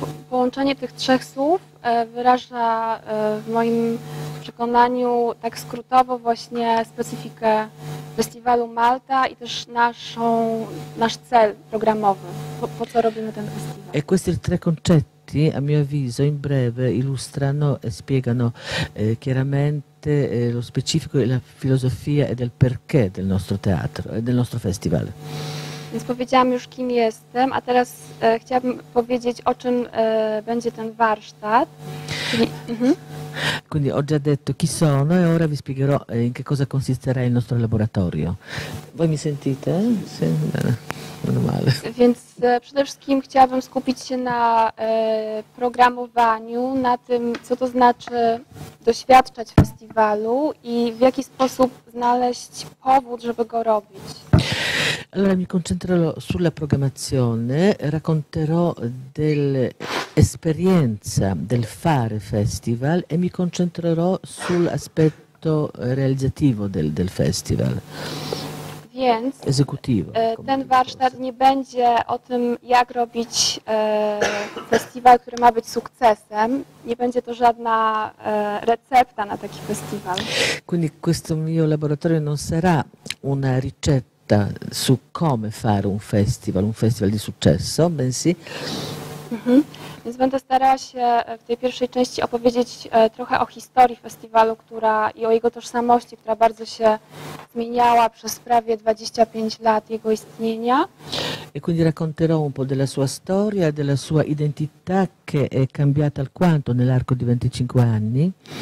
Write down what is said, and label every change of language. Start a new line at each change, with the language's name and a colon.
Polish: Połączenie tych trzech słów wyraża w moim przekonaniu tak skrótowo właśnie specyfikę Festiwalu Malta i też nasz cel programowy. Po co robimy ten festiwal?
Italian: E questi tre concetti, a mio avviso, in breve illustrano e spiegano chiaramente lo specifico della filosofia e del perché del nostro teatro e del nostro festival.
Polish: Więc powiedziałam już, kim jestem, a teraz chciałabym powiedzieć, o czym będzie ten warsztat. Czyli.
Italian: Quindi ho già detto chi sono e ora vi spiegherò in che cosa consisterà il nostro laboratorio. Voi mi sentite? Sì, bene, meno male.
Polish: Więc przede wszystkim chciałabym skupić się na programowaniu, na tym, co to znaczy doświadczać festiwalu i w jaki sposób znaleźć powód, żeby go robić.
Italian: Allora, mi concentrerò sulla programmazione, racconterò dell'esperienza del fare festival e mi concentrerò sull'aspetto realizzativo del festival.
Polish: Więc
Italian: esecutiva.
Polish: Ten warsztat nie będzie o tym, jak robić festiwal, który ma być sukcesem. Nie będzie to żadna recepta na taki festiwal.
Italian: Quindi questo mio laboratorio non sarà una ricetta su come fare un festival di successo, bensì. Mm-hmm.
Polish: Więc będę starała się w tej pierwszej części opowiedzieć trochę o historii festiwalu, która i o jego tożsamości, która bardzo się zmieniała przez prawie 25 lat jego istnienia.
Italian: E quindi racconterò un po' della sua storia, della sua identità che è cambiata alquanto nell'arco di 25 anni.